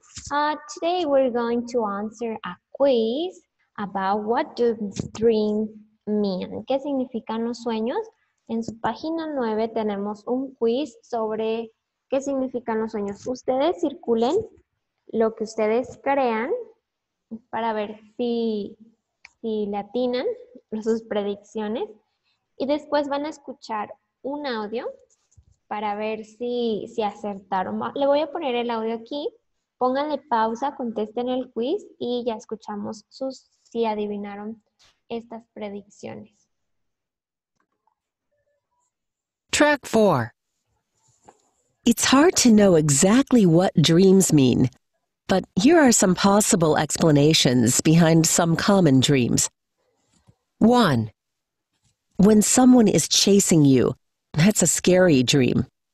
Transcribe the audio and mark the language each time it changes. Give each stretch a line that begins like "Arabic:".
English: Today we're going to answer a quiz about what do dreams mean?
Spanish: ¿Qué significan los sueños? En su página 9 tenemos un quiz sobre qué significan los sueños. Ustedes circulen lo que ustedes crean para ver si le atinan sus predicciones y después van a escuchar un audio para ver si acertaron. Le voy a poner el audio aquí. Pónganle pausa, contesten el quiz y ya escuchamos si adivinaron estas predicciones.
English: Track 4. It's hard to know exactly what dreams mean, but here are some possible explanations behind some common dreams. 1. When someone is chasing you, that's a scary dream.